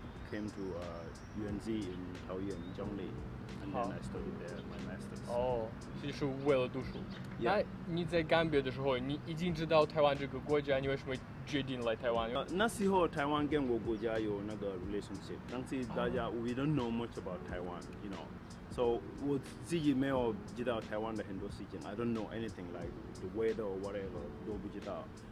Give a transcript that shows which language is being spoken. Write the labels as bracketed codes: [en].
[en] Came to UNZ in Taoyuan, Zhongli, and then I studied there my master's. [zh] Oh, 其实是为了读书. [en] Yeah. [zh] 那你在甘比亚的时候，你已经知道台湾这个国家，你为什么决定来台湾？那时候台湾跟我国家有那个 relationship， 但是大家 [en] we don't know much about Taiwan, you know. [zh] So 我自己没有知道台湾的很多事情. [en] I don't know anything like the weather or whatever [zh] 都不知道.